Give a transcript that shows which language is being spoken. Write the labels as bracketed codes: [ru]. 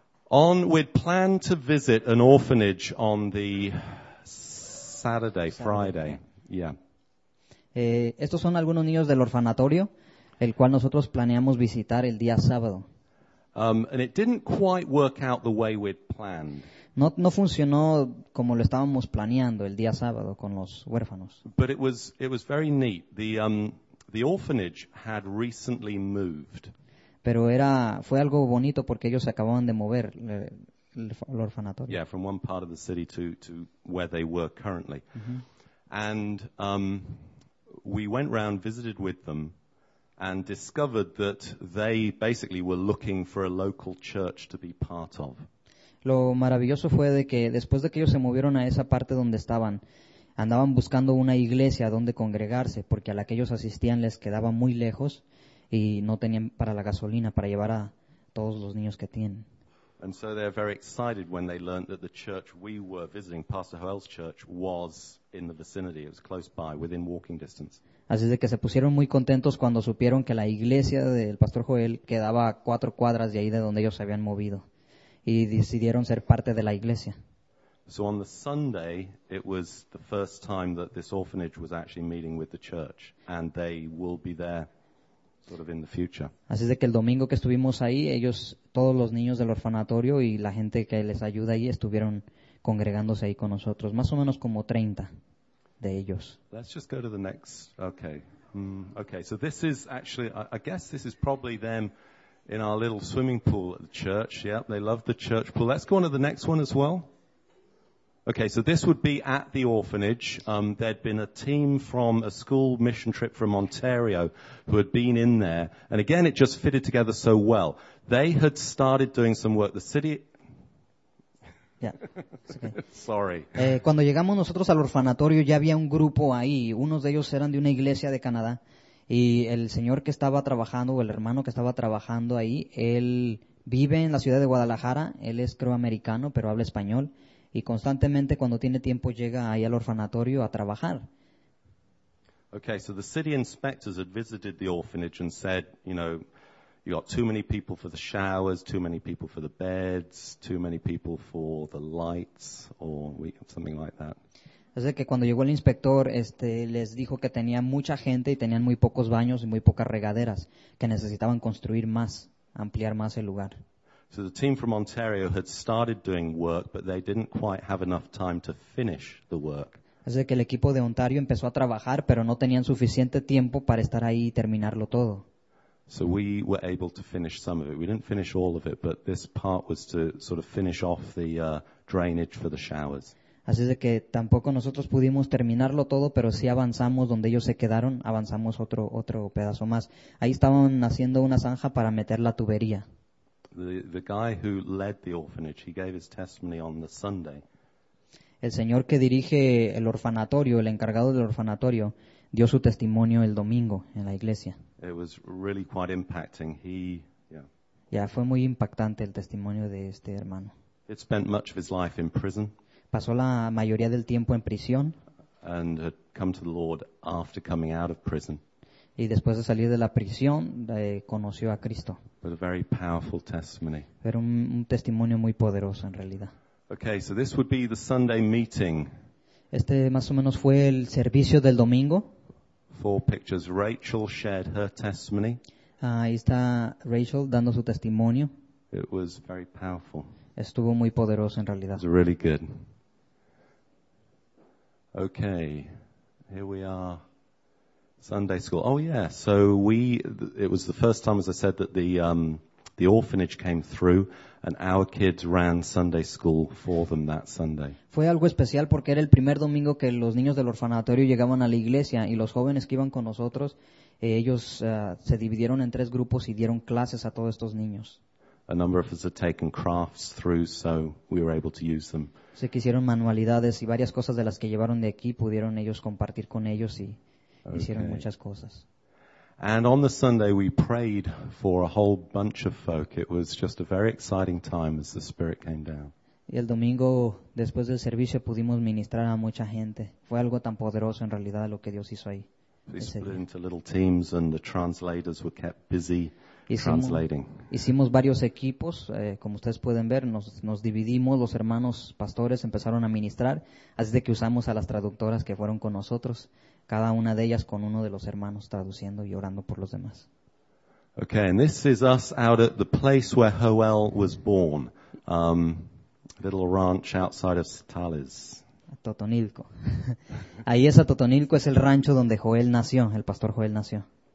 [en] We'd planned to visit an orphanage on the Friday. Yeah. [es] Estos son algunos niños del orfanatorio, el cual nosotros planeamos visitar el día sábado. [en] And it didn't quite work out the way we'd planned. [es] No funcionó como lo estábamos planeando el día sábado con los huérfanos. [en] But it was very neat. The orphanage had recently moved. [es] Pero fue algo bonito porque ellos se acababan de mover el orfanatorio. [en] Yeah, from one part of the city to where they were currently. Uh-huh. And we went round, visited with them, and discovered that they basically were looking for a local church to be part of. [es] Lo maravilloso fue de que después de que ellos se movieron a esa parte donde estaban, andaban buscando una iglesia donde congregarse, porque a la que ellos asistían les quedaba muy lejos y no tenían para la gasolina para llevar a todos los niños que tienen. [en] And so they're very excited when they learned that the church we were visiting, Pastor Joel's church, was in the vicinity. It was close by, within walking distance. [es] Así es de que se pusieron muy contentos cuando supieron que la iglesia del Pastor Joel quedaba a 4 cuadras de ahí de donde ellos se habían movido. Y decidieron ser parte de la iglesia. [en] So on the Sunday, it was the first time that this orphanage was actually meeting with the church. And they will be there sort of in the future. [es] Así es de que el domingo que estuvimos ahí, ellos, todos los niños del orfanatorio y la gente que les ayuda ahí, estuvieron congregándose ahí con nosotros. Más o menos como 30 de ellos. [en] Let's just go to the next. Okay. Okay, so this is actually, I guess this is probably them in our little swimming pool at the church. Yep, they love the church pool. Let's go on to the next one as well. Okay, so this would be at the orphanage. There'd been a team from a school mission trip from Ontario who had been in there. And again, it just fitted together so well. They had started doing some work. The city... Yeah. It's okay. Sorry. [es] Cuando llegamos nosotros al orfanatorio, ya había un grupo ahí. Unos de ellos eran de una iglesia de Canadá. Y el señor que estaba trabajando, o el hermano que estaba trabajando ahí, él vive en la ciudad de Guadalajara. Él es, creo, americano, pero habla español. Y constantemente, cuando tiene tiempo, llega ahí al orfanatorio a trabajar. [en] Okay, so the city inspectors had visited the orphanage and said, you know, you got too many people for the showers, too many people for the beds, too many people for the lights, or something like that. [es] Es de que cuando llegó el inspector, les dijo que tenía mucha gente y tenían muy pocos baños y muy pocas regaderas, que necesitaban construir más, ampliar más el lugar. [en] So the team from Ontario had started doing work, but they didn't quite have enough time to finish the work. [es] Es de que el equipo de Ontario empezó a trabajar, pero no tenían suficiente tiempo para estar ahí y terminarlo todo. [en] So we were able to finish some of it. We didn't finish all of it, but this part was to sort of finish off the drainage for the showers. [es] Así es de que tampoco nosotros pudimos terminarlo todo, pero sí avanzamos donde ellos se quedaron, avanzamos otro pedazo más. Ahí estaban haciendo una zanja para meter la tubería. [en] The guy who led the orphanage, he gave his testimony on the Sunday. [es] El señor que dirige el orfanatorio, el encargado del orfanatorio, dio su testimonio el domingo en la iglesia. [en] It was really quite impacting. [es] Fue muy impactante el testimonio de este hermano. [en] He spent much of his life in prison. [es] Pasó la mayoría del tiempo en prisión. [en] And had come to the Lord after coming out of prison. [es] Y después de salir de la prisión, conoció a Cristo. [en] But a very powerful testimony. [es] Pero un testimonio muy poderoso en realidad. [en] Okay, so this would be the Sunday meeting. [es] Este más o menos fue el servicio del domingo. [en] 4 pictures. Rachel shared her testimony. [es] Ahí está Rachel dando su testimonio. [en] It was very powerful. [es] Estuvo muy poderoso en realidad. [en] It was really good. Okay, here we are. Sunday school. Oh, yeah. So it was the first time, as I said, that the orphanage came through, and our kids ran Sunday school for them that Sunday. [es] Fue algo especial porque era el primer domingo que los niños del orfanatorio llegaban a la iglesia, y los jóvenes que iban con nosotros, ellos se dividieron en tres grupos y dieron clases a todos estos niños. [en] A number of us had taken crafts through, so we were able to use them. [es] Se quisieron manualidades y varias cosas de las que llevaron de aquí pudieron ellos compartir con ellos y hicieron muchas cosas. [en] And on the Sunday we prayed for a whole bunch of folk. It was just a very exciting time as the Spirit came down. [es] Y el domingo después del servicio pudimos ministrar a mucha gente. Fue algo tan poderoso en realidad lo que Dios hizo ahí. [en] We split into little teams and the translators were kept busy. [es] Hicimos varios equipos, como ustedes pueden ver, nos dividimos, los hermanos pastores empezaron a ministrar, así de que usamos a las traductoras que fueron con nosotros, cada una de ellas con uno de los hermanos traduciendo y orando por los demás. [en] Okay, and this is us out at the place where Joel was born, a little ranch outside of Sitalis. [es] Totonilco. Ahí es a Totonilco, es el rancho donde Joel nació, el pastor Joel nació.